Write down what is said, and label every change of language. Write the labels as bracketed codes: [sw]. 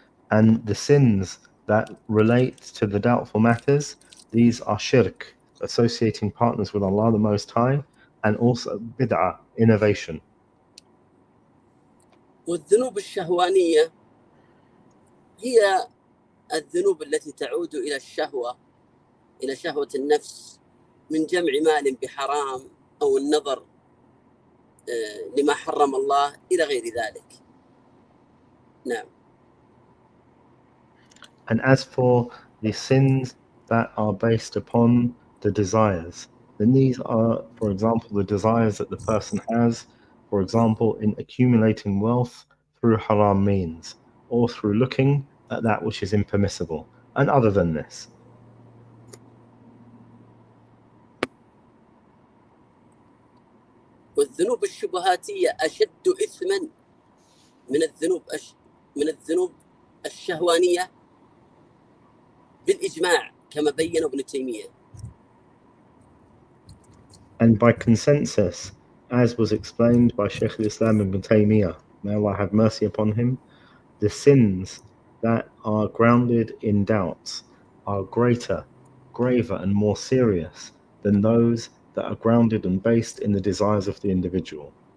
[en] And the sins that relate to the doubtful matters, these are shirk, associating partners with Allah the Most High, and also bid'ah, innovation. [ar] والذنوب الشهوانية هي الذنوب التي تعود إلى الشهوة إلى شهوة النفس من جمع مال بحرام أو النظر لما حرم الله إلى غير ذلك. نعم. [en] And as for the sins that are based upon the desires, then these are, for example, the desires that the person has, for example, in accumulating wealth through haram means, or through looking at that which is impermissible, and other than this. [ar] والذنوب الشبهاتية أشد إثما من الذنوب الشهوانية بالإجماع كما بين ابن تيمية. [en] And by consensus, as was explained by Shaykh al-Islam ibn Taymiyyah, may Allah have mercy upon him, the sins that are grounded in doubts are greater, graver, and more serious than those that are grounded and based in the desires of the individual.